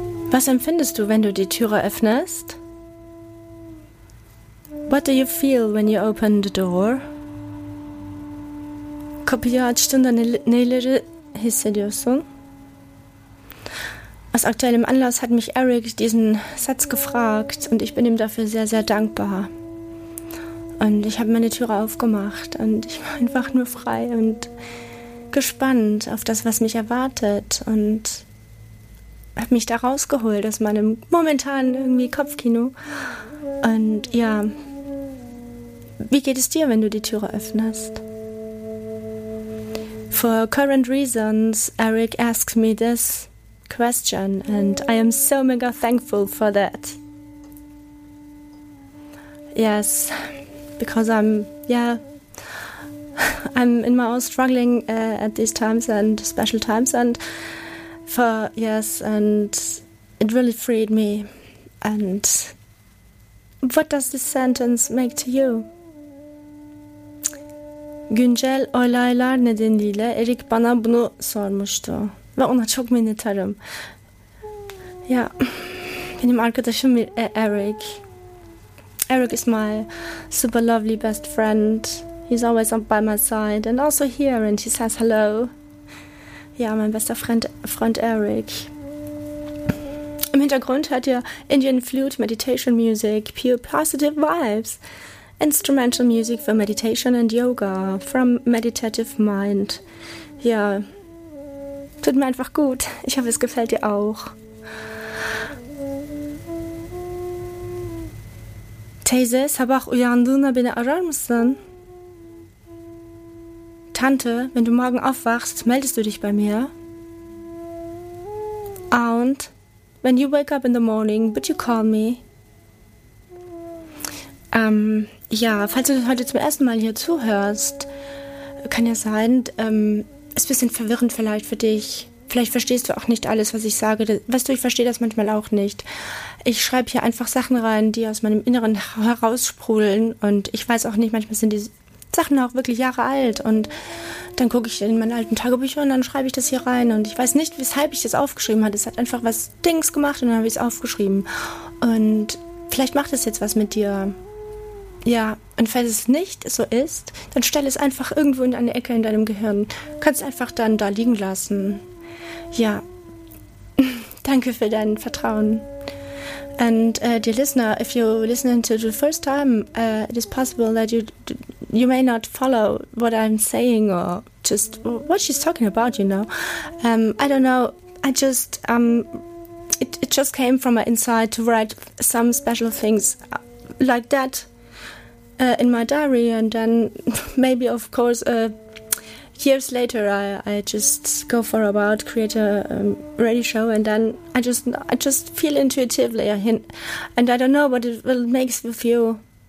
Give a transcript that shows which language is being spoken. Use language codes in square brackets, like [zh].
[de] Was empfindest du, wenn du die Türe öffnest? [en] What do you feel when you open the door? [tr] Kapıyı açtığında neleri hissediyorsun? [de] Aus aktuellem Anlass hat mich Eric diesen Satz gefragt und ich bin ihm dafür sehr, sehr dankbar. Und ich habe meine Türe aufgemacht und ich war einfach nur frei und gespannt auf das, was mich erwartet und habe mich da rausgeholt aus meinem momentanen irgendwie Kopfkino. Und ja, wie geht es dir, wenn du die Türe öffnest? [en] For current reasons, Eric asked me this question and I am so mega thankful for that. Yes, because I'm in my own struggling at these times and special times and and it really freed me. And what does this sentence make to you? [tr] Güncel olaylar nedeniyle Eric bana bunu sormuştu. Ve ona çok minnettarım. Ya, benim arkadaşım Eric. [en] Eric is my super lovely best friend. He's always by my side and also here and he says hello. [de] Ja, mein bester Freund Eric. Im Hintergrund hört ihr Indian Flute Meditation Music, Pure Positive Vibes, Instrumental Music for Meditation and Yoga from Meditative Mind. Ja, tut mir einfach gut. Ich hoffe, es gefällt dir auch. [tr] Teyze, sabah uyandığına beni arar mısın? [de] Tante, wenn du morgen aufwachst, meldest du dich bei mir? [en] Aunt, when you wake up in the morning, would you call me? [de] Ja, falls du heute zum ersten Mal hier zuhörst, kann ja sein, ist ein bisschen verwirrend vielleicht für dich. Vielleicht verstehst du auch nicht alles, was ich sage. Weißt du, ich verstehe das manchmal auch nicht. Ich schreibe hier einfach Sachen rein, die aus meinem Inneren heraussprudeln und ich weiß auch nicht, manchmal sind die Sachen auch wirklich Jahre alt und dann gucke ich in meine alten Tagebücher und dann schreibe ich das hier rein und ich weiß nicht, weshalb ich das aufgeschrieben habe. Es hat einfach was Dings gemacht und dann habe ich es aufgeschrieben und vielleicht macht es jetzt was mit dir. Ja, und falls es nicht so ist, dann stell es einfach irgendwo in eine Ecke in deinem Gehirn. Kannst einfach dann da liegen lassen. Ja, danke für dein Vertrauen. [en] And dear listener, if you're listening to the first time, it is possible that you may not follow what I'm saying or just what she's talking about, you know. I don't know. I just it just came from my inside to write some special things like that in my diary, and then maybe of course years later I just go for about create a radio show, and then I just feel intuitively a hint, and I don't know what it will makes with you.